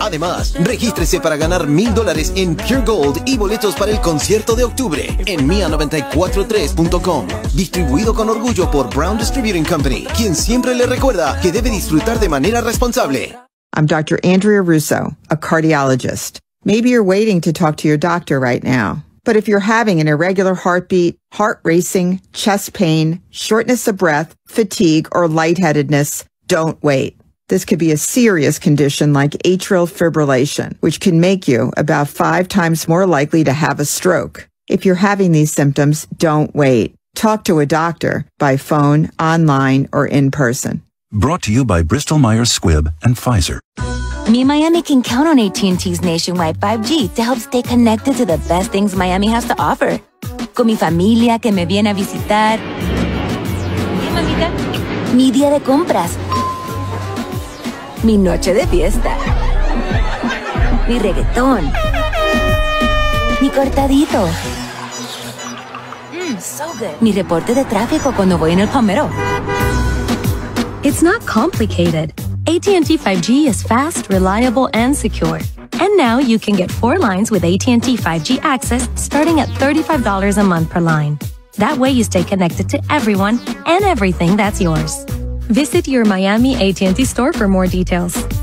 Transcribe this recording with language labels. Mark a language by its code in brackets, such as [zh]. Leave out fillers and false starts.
[es] Además, regístrese para ganar $1,000 en Pure Gold y boletos para el concierto de octubre en mia943.com. Distribuido con orgullo por Brown Distributing Company, quien siempre le recuerda que debe disfrutar de manera responsable. [en] I'm Dr. Andrea Russo, a cardiologist. Maybe you're waiting to talk to your doctor right now. But if you're having an irregular heartbeat, heart racing, chest pain, shortness of breath, fatigue, or lightheadedness, don't wait. This could be a serious condition like atrial fibrillation, which can make you about 5 times more likely to have a stroke. If you're having these symptoms, don't wait. Talk to a doctor by phone, online, or in person. Brought to you by Bristol-Myers Squibb and Pfizer. Mi Miami can count on AT&T's nationwide 5G to help stay connected to the best things Miami has to offer. [es] Con mi familia que me viene a visitar. Hey, mamita. Mi día de compras. Mi noche de fiesta. ni reggaetón, ni cortadito. [en] So good. [es] Mi reporte de tráfico cuando voy en el Palmero. [en] It's not complicated. AT&T 5G is fast, reliable, and secure. And now you can get four lines with AT&T 5G access starting at $35 a month per line. That way you stay connected to everyone and everything that's yours. Visit your Miami AT&T store for more details.